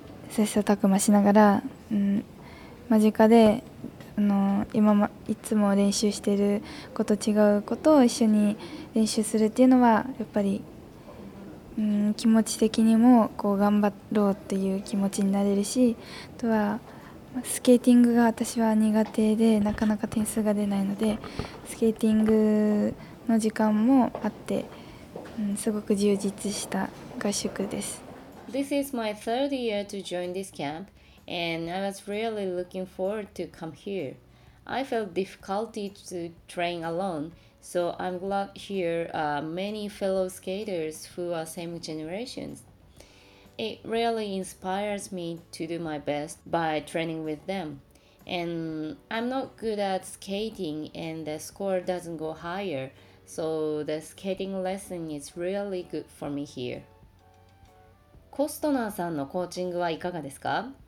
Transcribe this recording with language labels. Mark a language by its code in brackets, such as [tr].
[ja] 切磋琢磨しながら、間近で今もいつも練習してる子と違うことを一緒に練習するっていうのはやっぱり、気持ち的にもこう頑張ろうっていう気持ちになれるし、あとはスケーティングが私は苦手でなかなか点数が出ないので、スケーティングの時間もあって。すごく充実した合宿です。 [en] This is my third year to join this camp, and I was really looking forward to come here. I felt difficulty to train alone, so I'm glad here are many fellow skaters who are same generations. It really inspires me to do my best by training with them. And I'm not good at skating, and the score doesn't go higher. So the skating lesson is really good for me here. [ja] コストナーさんのコーチングはいかがですか?